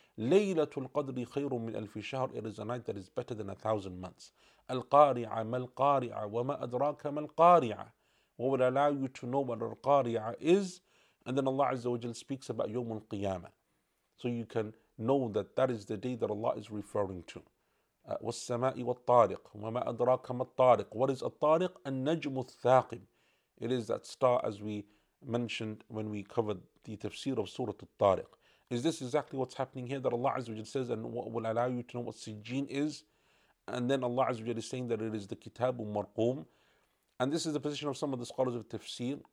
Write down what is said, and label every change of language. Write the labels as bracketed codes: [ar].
[ar] لَيْلَةُ الْقَدْرِ خَيْرٌ مِنْ أَلْفِ شَهْرٍ, [en] it is a night that is better than 1,000 months. [ar] الْقَارِعَ مَا الْقَارِعَ وَمَا أَدْرَاكَ مَا الْقَارِعَ, [en] what will allow you to know what الْقَارِعَ is? And then Allah Azza wa Jal speaks about يوم القيامة, so you can know that that is the day that Allah is referring to. [ar] وَالسَّمَاءِ وَالطَّارِقِ وَمَا أَدْرَاكَ مَا الطَّارِقِ, [en] what is [ar] الطَّارِقِ? النَّجْمُ الثَّاقِبُ, [en] it is that star as we mentioned when we covered the tafsir of Surah Al-Tariq. Is this exactly what's happening here, that Allah Azza wa Jalla says, and what will allow you to know what sijjin is? And then Allah Azza wa Jalla is saying that it is the kitab marqum. And this is the position of some of the scholars of tafsir.